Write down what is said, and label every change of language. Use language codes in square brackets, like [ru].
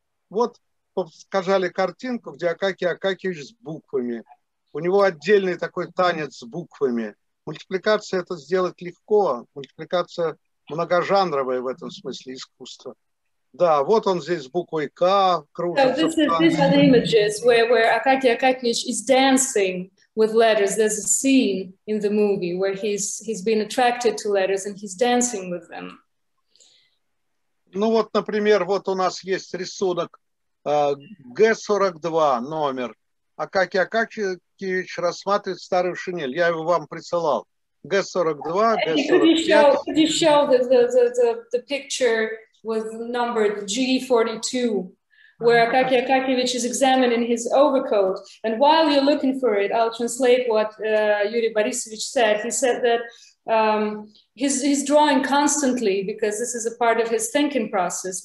[ru] Вот показали картинку, где Акакий Акакиевич с буквами. У него отдельный такой танец с буквами. Мультипликация — это сделать легко. Мультипликация многожанровая в этом смысле искусство. Да, вот он здесь с буквой К кружится. [en] this is, these are the images where Акакий Акакиевич is dancing with letters. There's a scene in the movie where he's been attracted to letters and he's dancing with them. [ru] Ну вот, например, вот у нас есть рисунок Г-42 номер. Акакий Акакиевич рассматривает старую шинель. Я его вам присылал. Г-42, Г-45. [en] Could you show the picture with number G-42, where Акакий Акакиевич is examining his overcoat? And while you're looking for it, I'll translate what Yuri Borisovich said. He said that he's drawing constantly because this is a part of his thinking process.